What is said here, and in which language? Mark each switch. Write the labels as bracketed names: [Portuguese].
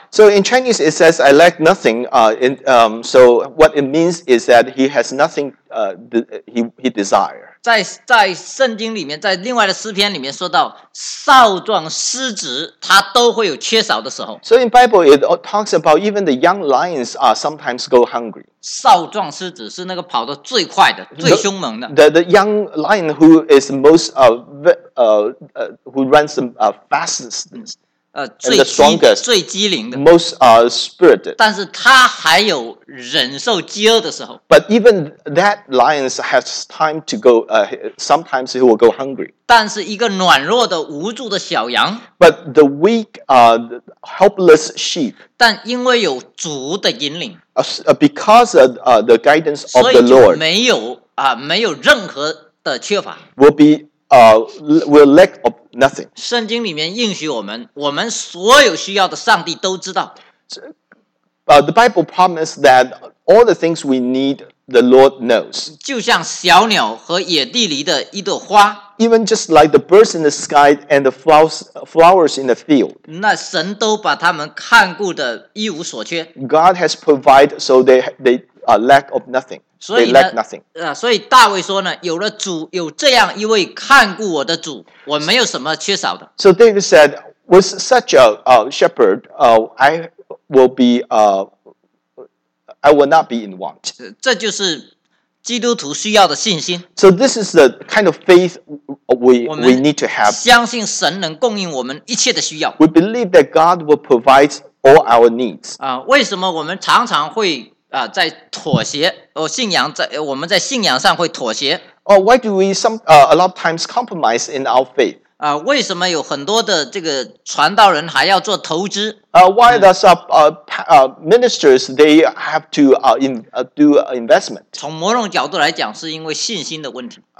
[English] So in Chinese it says I lack nothing. So what it means is that he has nothing. He desire. [Chinese] 在圣经里面，在另外的诗篇里面说到，少壮失职，他都会有缺少的时候。 [English] So in Bible it talks about even the young lions are sometimes go hungry. [Chinese] 少壮失职是那个跑得最快的、最凶猛的。 [English] The young lion who is most who runs the fastest. [Chinese] 最 [English] strongest, [Chinese] 最机灵的 [English] most spirited. [Chinese] 但是他还有忍受饥饿的时候。 [English] But even that lion has time to go, sometimes he will go hungry. [Chinese] 但是一个软弱的无助的小羊。 [English] But the weak, helpless sheep. [Chinese] 但因为有主的引领。 [English] Because of the guidance of the Lord. [Chinese] 没有任何的缺乏。 [English] Will be,will lack of nothing. [Chinese] 圣经里面应许我们，我们所有需要的上帝都知道。 [English] The Bible promised that all the things we need, the Lord knows. [Chinese] 就像小鸟和野地里的一朵花。 [English] Even just like the birds in the sky and the flowers in the field. [Chinese] 那神都把他们看顾的一无所缺。 [English] God has provided so they lack of nothing. They lack nothing. [Chinese] 所以大卫说呢，有了主，有这样一位看顾我的主，我没有什么缺少的。 [English] So David said, "With such a shepherd, I will not be in want." [Chinese] 这就是基督徒需要的信心。 [English] So this is the kind of faith we need to have. [Chinese] 相信神能供应我们一切的需要。 [English] We believe that God will provide all our needs. [Chinese] 为什么我们常常会在妥协？信仰在我们在信仰上会妥协。 [English] Why do we a lot of times compromise in our faith? [Chinese] 为什么有很多的这个传道人还要做投资？ [English] Why does ministers they have to do investment? [Chinese] 从某种角度来讲，是因为信心的问题。